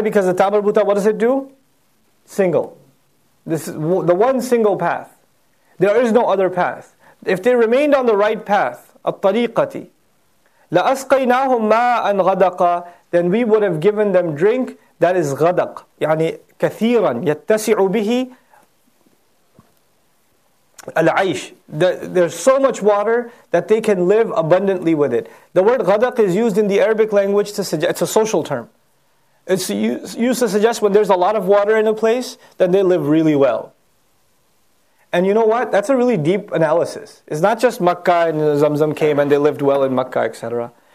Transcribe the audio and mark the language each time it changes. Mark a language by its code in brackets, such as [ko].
[en] Because the tamar buta, what does it do? Single. This is the one single path. There is no other path. If they remained on the right path, at-tariqati, [ar] لَأَسْقَيْنَاهُمْ مَاءً غَدَقَ, [en] then we would have given them drink that is غَدَق. [ar] يعني كثيراً يتسع به العيش. [en] There's so much water that they can live abundantly with it. The word غدق is used in the Arabic language to suggest, it's a social term. It's used to suggest when there's a lot of water in a place, then they live really well. And you know what? That's a really deep analysis. It's not just Makkah and Zamzam came and they lived well in Makkah, etc.